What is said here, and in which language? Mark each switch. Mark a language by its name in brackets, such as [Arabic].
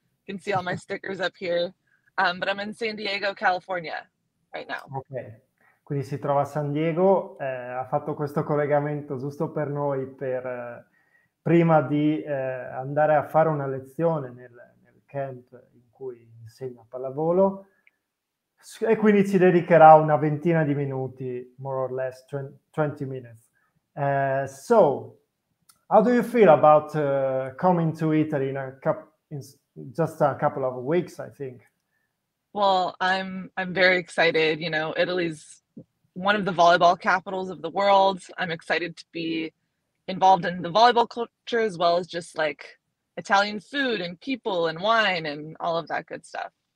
[English] You can see all my stickers up here. But I'm in San Diego, California right now. [Italian] Ok, quindi si trova a San Diego, ha fatto questo collegamento giusto per noi prima di andare a fare una lezione nel camp in cui insegna pallavolo. E quindi ci dedicherà una ventina di minuti, [English] more or less 20 minutes. So, how do you feel about coming to Italy in just a couple of weeks, I think? Well, I'm very excited. You know, Italy's one of the volleyball capitals of the world. I'm excited to be involved in the volleyball culture as well as just like Italian food and people and wine and all of that good stuff.